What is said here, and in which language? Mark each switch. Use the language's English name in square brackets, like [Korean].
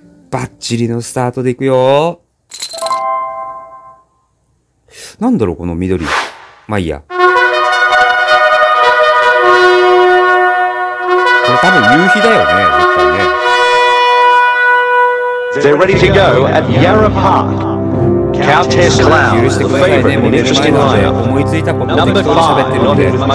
[Japanese] バッチリのスタートでいくよ。なんだろうこの緑。まあいいや、多分夕日だよね、絶対ね。 [English] They're ready to go at Yarra Park. Countess Clown, the favorite, [Japanese] もう寝る前なので、思いついたことで適当に喋ってるので。